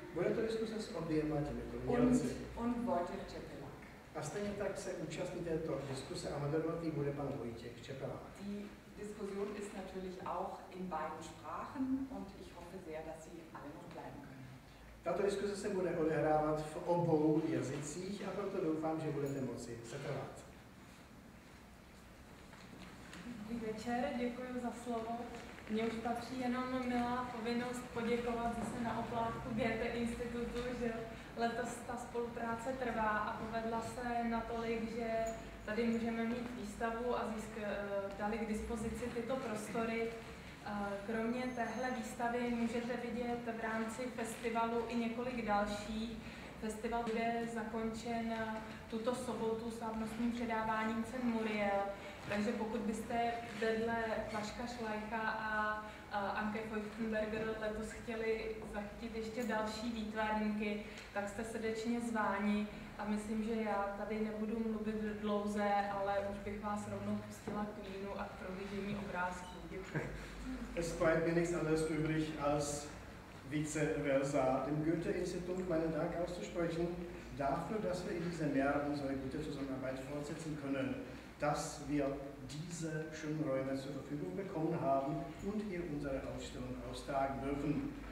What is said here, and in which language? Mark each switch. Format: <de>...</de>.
<cs>Bude to diskuse s oběma těmi umělci.</cs> <de>Und</de> <cs>Wojtěch Čepelák. A stejně tak se účastní této diskuse a moderovatý bude pan Wojtěch Čepelák.</cs> <de>Die Diskussion ist natürlich auch in beiden Sprachen und ich hoffe sehr, dass Sie alle noch bleiben können.</de> <cs>Tato diskuse se bude odehrávat v obou jazycích a proto doufám, že budete moci setrvat. Dobrý večer, děkuji za slovo. Mně už patří jenom milá povinnost poděkovat zase na oplátku Goethe institutu, že letos ta spolupráce trvá a povedla se natolik, že tady můžeme mít výstavu a dali k dispozici tyto prostory. Kromě téhle výstavy můžete vidět v rámci festivalu i několik dalších. Festival bude zakončen tuto sobotu slavnostním předáváním cen Muriel. Takže pokud byste vedle Vaška Šlajka a Anke Feuchtenberger letos chtěli zachytit ještě další výtvarníky, tak jste srdečně zváni. A myslím, že já tady nebudu mluvit dlouze, ale už bych vás rovnou pustila k vínu a k prohlížení obrázků.</cs> <de>Es bleibt mir nichts anderes übrig, als vice versa dem Goethe-Institut meinen Dank auszusprechen, dafür, dass wir in diesem Jahr unsere gute Zusammenarbeit fortsetzen können, dass wir diese schönen Räume zur Verfügung bekommen haben und hier unsere Ausstellung austragen dürfen.</de>